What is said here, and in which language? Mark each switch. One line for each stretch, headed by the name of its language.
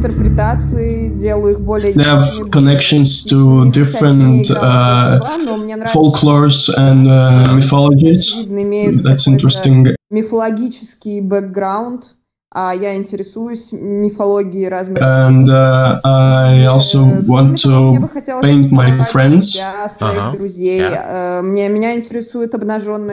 English: They have connections to different folklores and mythologies. That's interesting.
Russian: Мифологический бэкграунд. Я интересуюсь мифологией разных.
English: And I also want to paint my friends.
Russian: Меня интересует обнаженные.